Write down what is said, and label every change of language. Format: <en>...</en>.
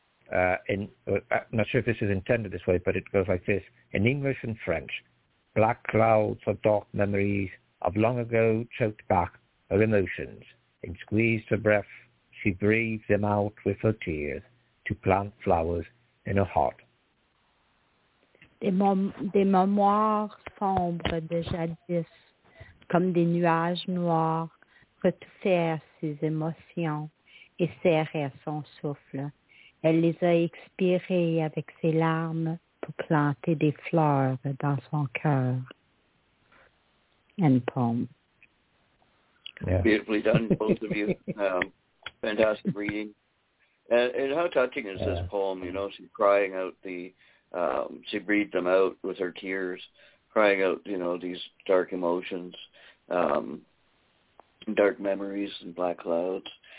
<en>I'm not sure if this is intended this way, but it goes like this. In English and French, black clouds are dark memories of long ago choked back her emotions. And squeezed her breath, she breathed them out with her tears to plant flowers in her heart.</en> <fr>Des mémoires sombres de jadis, comme des nuages noirs, retouffèrent ses émotions et serrèrent son souffle. Elle les a expirées avec ses larmes pour planter des fleurs dans son cœur.</fr> <en>End poem. Yeah. Beautifully done, both of you. Fantastic reading. And how touching is this poem, you know, she's crying out the, she breathed them out with her tears, crying out, you know, these dark emotions, dark memories and black clouds.</en>